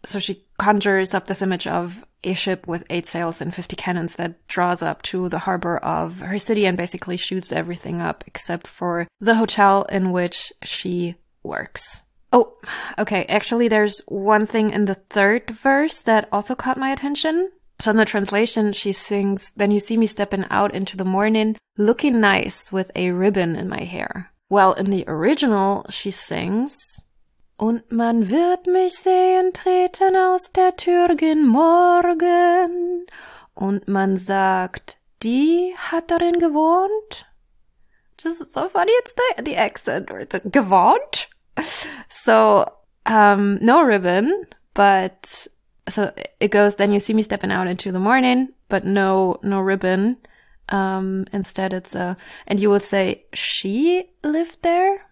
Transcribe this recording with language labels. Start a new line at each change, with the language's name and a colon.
English: So she conjures up this image of a ship with 8 sails and 50 cannons that draws up to the harbor of her city and basically shoots everything up except for the hotel in which she works. Oh, okay. Actually, there's one thing in the third verse that also caught my attention. So in the translation, she sings, "Then you see me stepping out into the morning, looking nice with a ribbon in my hair." Well, in the original, she sings,
German: Und man wird mich sehen treten aus der Tür gen Morgen. Und man sagt, die hat darin gewohnt.
English: This is so funny. It's the accent or the gewohnt. So, no ribbon, but so it goes, then you see me stepping out into the morning, but no ribbon. Instead it's a, and you will say she lived there.